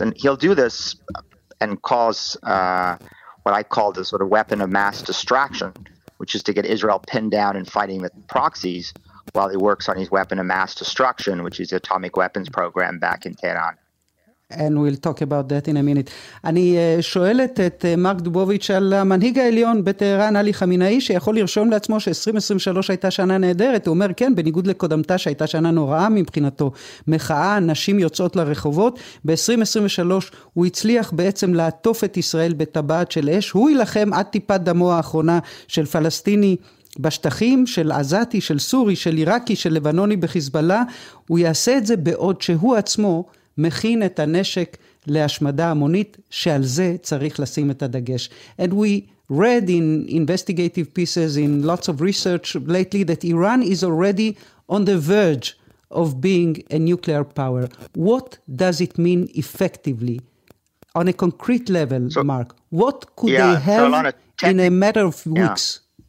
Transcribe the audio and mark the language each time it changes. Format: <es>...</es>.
<en>And he'll do this and cause what I call the sort of weapon of mass distraction, which is to get Israel pinned down and fighting the proxies while he works on his weapon of mass destruction, which is the atomic weapons program back in Tehran. And we'll talk about that in a minute.</en> <he>אני שואלת את מרק דובוביץ' על המנהיג העליון בטהרן, עלי חמינאי, שיכול לרשום לעצמו ש-2023 הייתה שנה נהדרת. הוא אומר, כן, בניגוד לקודמתה שהייתה שנה נוראה מבחינתו, מחאה, נשים יוצאות לרחובות, ב-2023 הוא הצליח בעצם לעטוף את ישראל בטבעת של אש. הוא ילחם עד טיפת דמו האחרונה של פלסטיני בשטחים, של עזתי, של סורי, של עיראקי, של לבנוני בחיזבאללה. הוא יעשה את זה בעוד שהוא עצמו מכין את הנשק להשמדה המונית, שעל זה צריך לשים את הדגש.</he> <en>And we read in investigative pieces, in lots of research lately, that Iran is already on the verge of being a nuclear power. What does it mean effectively? On a concrete level, so, Mark, what could they have in a matter of weeks?</en>